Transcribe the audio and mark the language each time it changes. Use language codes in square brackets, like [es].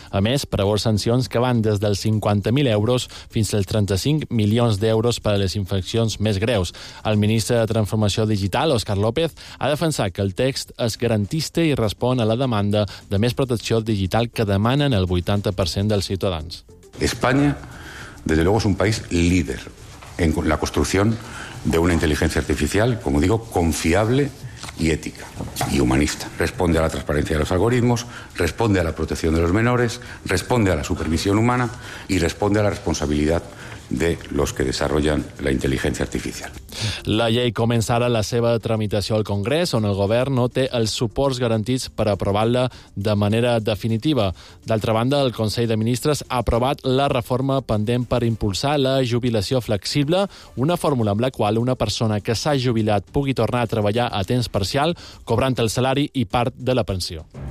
[ca] A més, preveu sancions que van des dels 50.000 euros fins als 35 milions d'euros per a les infraccions més greus. El ministre de Transformació Digital, Òscar López, ha defensat que el text es garantista i respon a la demanda de més protecció digital que demanen el 80% dels ciutadans. [es] España, desde luego, es un país líder en la construcción de una inteligencia artificial, como digo, confiable y ética y humanista. Responde a la transparencia de los algoritmos, responde a la protección de los menores, responde a la supervisión humana y responde a la responsabilidad de los que desarrollan la inteligencia artificial. [ca] La llei començarà la seva tramitació al Congrés, on el govern no té els suports garantits per aprovar-la de manera definitiva. D'altra banda, el Consell de Ministres ha aprovat la reforma pendent per impulsar la jubilació flexible, una fórmula amb la qual una persona que s'ha jubilat pugui tornar a treballar a temps parcial, cobrant el salari i part de la pensió.